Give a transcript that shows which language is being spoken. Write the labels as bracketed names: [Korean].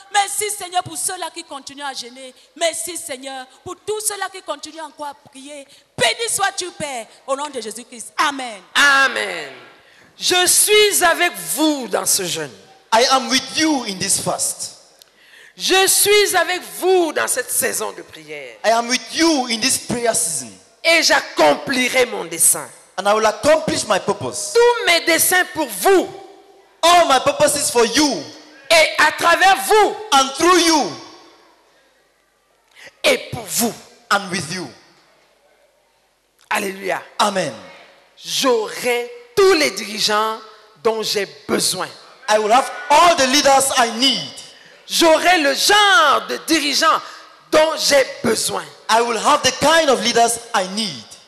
[French] Merci, Seigneur, pour ceux-là qui continuent à jeûner. Merci, Seigneur, pour tous ceux-là qui continuent encore à prier. Béni sois-tu, Père, au nom de Jésus-Christ. Amen. Amen. Je suis avec vous dans ce jeûne. [English] I am with you in this fast. [French] Je suis avec vous dans cette saison de prière. [English] I am with you in this prayer season. [French] Et j'accomplirai mon dessein. [English] And I will accomplish my purpose. [French] Tous mes desseins pour vous. [English] All my purposes for you. [French] Et à travers vous. [English] And through you. [French] Et pour vous. [English] And with you. [French] Alléluia. Amen. J'aurai tous les dirigeants dont j'ai besoin. [English] I will have all the leaders I need. [French] J'aurai le genre de dirigeant dont j'ai besoin. [English] I will have the kind of leaders I need.